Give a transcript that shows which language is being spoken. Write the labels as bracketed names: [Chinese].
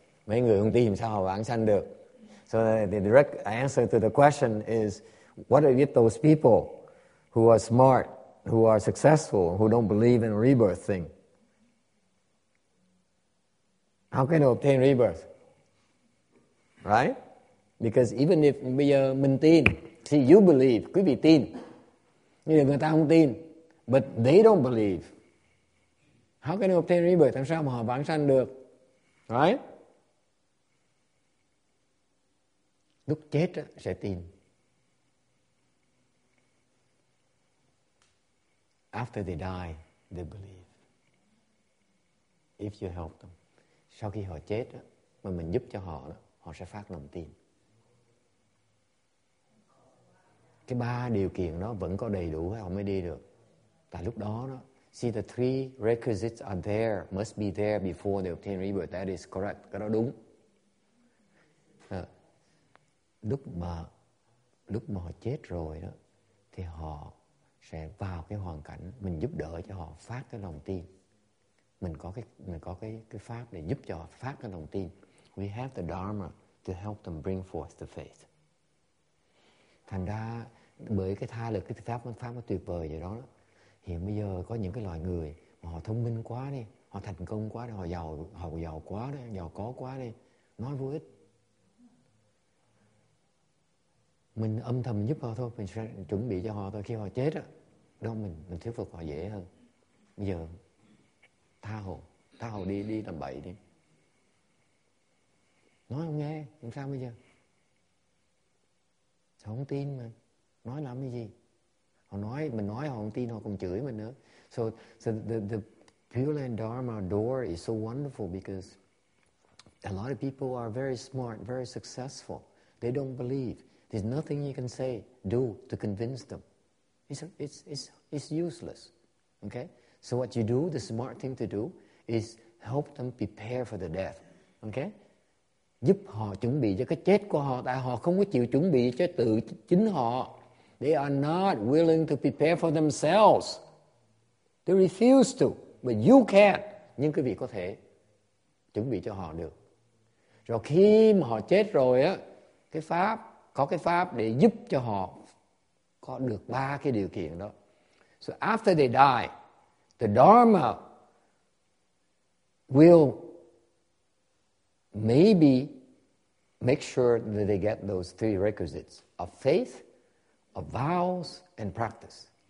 [Vietnamese] Mấy người không tin làm sao họ vãng sanh được? [English] So the direct answer to the question is, what are those people who are smart, who are successful, who don't believe in rebirth thing? How can they obtain rebirth? Right? Because even if [Vietnamese] bây giờ mình tin, [English] see, you believe, [Vietnamese] quý vị tin. Nhưng người ta không tin, [English] but they don't believe. How can you obtain rebirth? [Vietnamese] Làm sao mà họ vãng sanh được? [English] Right? [Vietnamese] Lúc chết sẽ tin. [English] After they die, they believe. If you help them. [Vietnamese] Sau khi họ chết, mà mình giúp cho họ, họ sẽ phát lòng tin. Cái ba điều kiện đó vẫn có đầy đủ, họ mới đi được. Tại lúc đó, [English] see the three requisites are there, must be there before they obtain rebirth. That is correct. [Vietnamese] Cái đó đúng. Lúc mà họ chết rồi đó, thì họ sẽ vào cái hoàn cảnh mình giúp đỡ cho họ phát cái lòng tin. Mình có cái pháp để giúp cho họ phát cái lòng tin. [English] We have the Dharma to help them bring forth the faith. [Vietnamese] Thành ra bởi cái tha lực, cái pháp nó tuyệt vời vậy đó. Hiện bây giờ có những cái loại người mà họ thông minh quá đi, họ thành công quá đi, họ giàu có quá đi, nói vô ích. Mình âm thầm giúp họ thôi, mình sẽ chuẩn bị cho họ thôi. Khi họ chết á, đó mình thuyết phục họ dễ hơn. Bây giờ tha hồ đi làm bậy đi. Nói không nghe, làm sao bây giờ? Họ không tin mà, nói làm cái gì? Mình nói họ không tin, họ còn chửi mình nữa. [English] So the Pure Land Dharma door is so wonderful because a lot of people are very smart, very successful. They don't believe. There's nothing you can say, do to convince them. It's useless. Okay? So what you do, the smart thing to do, is help them prepare for the death. Okay? [Vietnamese] Giúp họ chuẩn bị cho cái chết của họ, tại họ không có chịu chuẩn bị cho tự chính họ. [English] They are not willing to prepare for themselves. They refuse to. But you can. [Vietnamese] Nhưng quý vị có thể chuẩn bị cho họ được. Rồi khi mà họ chết rồi á, có cái pháp để giúp cho họ có được ba cái điều kiện đó. [English] So after they die, the Dharma will maybe make sure that they get those three requisites of faith, of vows, and practice.